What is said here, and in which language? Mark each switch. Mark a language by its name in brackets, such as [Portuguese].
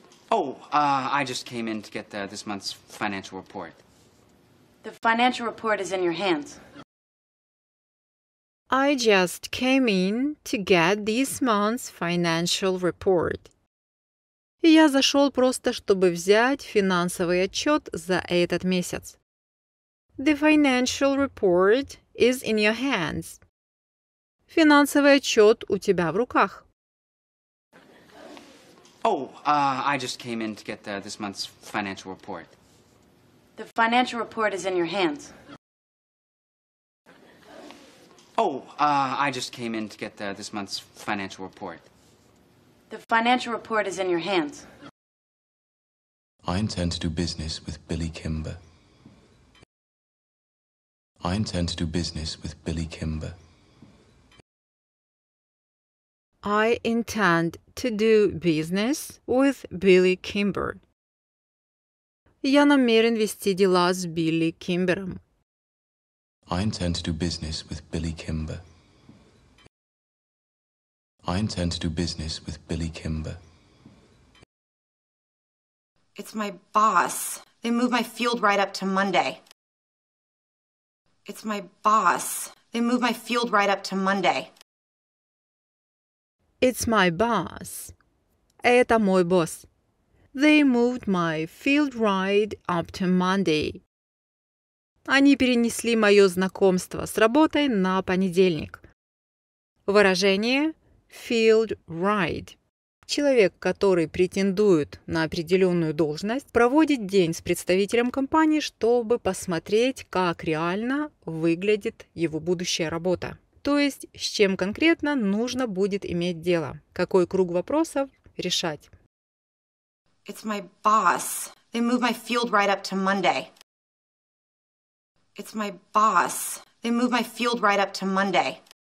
[English] I just came in to get this month's financial report. The financial report is in your hands. I just came in to get this month's financial report. [Russian] Я зашел просто, чтобы взять финансовый отчет за этот месяц. [English] The financial report is in your hands. [Russian] Финансовый отчет у тебя в руках. [English] I just came in to get this month's financial report. The financial report is in your hands. I just came in to get this month's financial report. The financial report is in your hands. I intend to do business with Billy Kimber. I intend to do business with Billy Kimber. I intend to do business with Billy Kimber. [Russian] Я намерен вести дела с Билли Кимбером. [English] I intend to do business with Billy Kimber. I intend to do business with Billy Kimber. It's my boss. They moved my field right up to Monday. It's my boss. They moved my field right up to Monday. It's my boss. [Russian] Это мой босс. [English] They moved my field right up to Monday. [Russian] Они перенесли мое знакомство с работой на понедельник. Выражение field ride. Человек, который претендует на определенную должность, проводит день с представителем компании, чтобы посмотреть, как реально выглядит его будущая работа. То есть, с чем конкретно нужно будет иметь дело. Какой круг вопросов решать. [English] It's my boss. They moved my field right up to Monday. It's my boss. They moved my field right up to Monday.